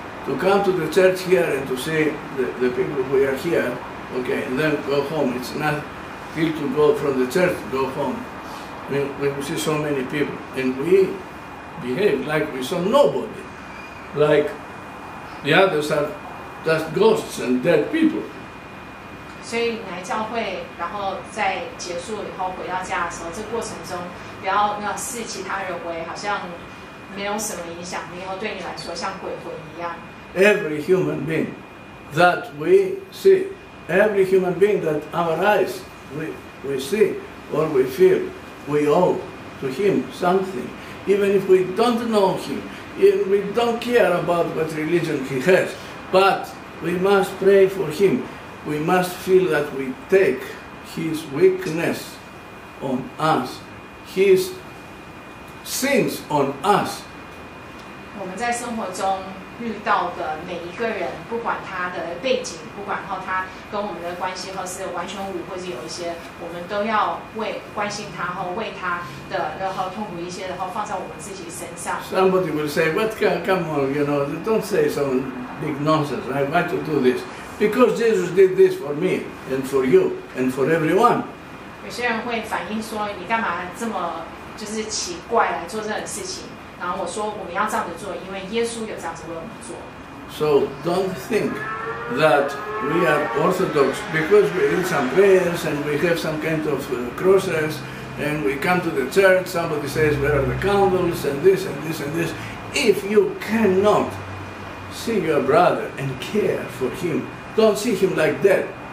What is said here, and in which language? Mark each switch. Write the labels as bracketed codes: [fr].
[en] To come to the church here and to see the people who are here, okay, and then go home. It's not feel to go from the church to go home. When we see so many people and we behave like we saw nobody, like the others are just ghosts and dead people. [zh] 所以你来教会，然后在结束以后回到家的时候，这过程中不要视其他人为好像没有什么影响，没有对你来说像鬼魂一样。 [en] Every human being that we see, every human being that our eyes we see or we feel, we owe to him something. Even if we don't know him, even we don't care about what religion he has, but we must pray for him. We must feel that we take his weakness on us, his sins on us. [zh] 我们在生活中遇到的每一个人，不管他的背景，不管他跟我们的关系或是完全无，或是有一些，我们都要为关心他，为他的痛苦一些，然后放在我们自己身上。 [en] Somebody will say, "But come on, don't say some big nonsense. I want to do this because Jesus did this for me and for you and for everyone." [zh] 有些人会反映说，你干嘛这么奇怪来做这种事情？然后我说我们要这样子做，因为耶稣有这样子为我们做。 [en] So don't think that we are Orthodox because we read some prayers and we have some kind of crosses and we come to the church. Somebody says where are the candles and this and this and this. If you cannot see your brother and care for him, don't see him like that.